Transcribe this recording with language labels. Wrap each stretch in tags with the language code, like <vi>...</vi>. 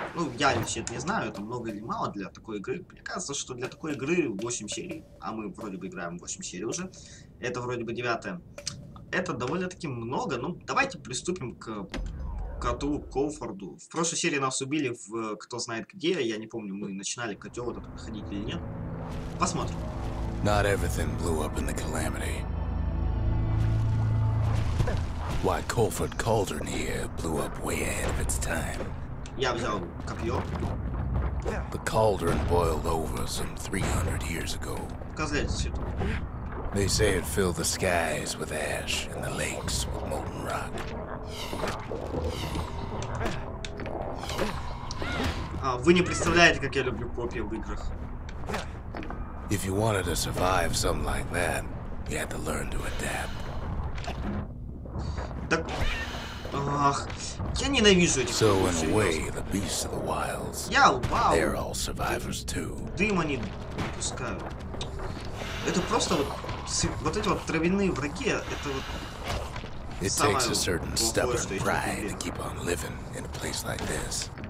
<ru>Ну, я вообще это не знаю, это много или мало для такой игры. Мне кажется, что для такой игры 8 серий, а мы вроде бы играем 8 серий уже, это вроде бы 9-е. Это довольно-таки много, ну, давайте приступим к коту Коуфорду. В прошлой серии нас убили в кто знает где, я не помню, мы начинали котел этот проходить или нет. Посмотрим.</ru> <en>Not everything blew up in the calamity. Why Colford Cauldron here blew up way ahead of its time.</en> <ru>Я взял копье.</ru> <en>The cauldron boiled over some 300 years ago. They say it filled the skies with ash and the lakes with molten rock.</en> <ru>Вы не представляете, как я люблю копья в играх.</ru> <en>If you wanted to survive something like that, you had to learn to adapt.</en> <ru>Так, ах, я ненавижу этих.</ru> <en>So in a way, the beasts of the wilds.</en> <ru>Я упал.</ru> <en>They're all survivors too.</en> <ru>Дым они выпускают. Это просто вот, вот эти вот травяные враги, это вот.</ru> <en>It takes a certain stubborn pride to keep on living in a place like this.</en>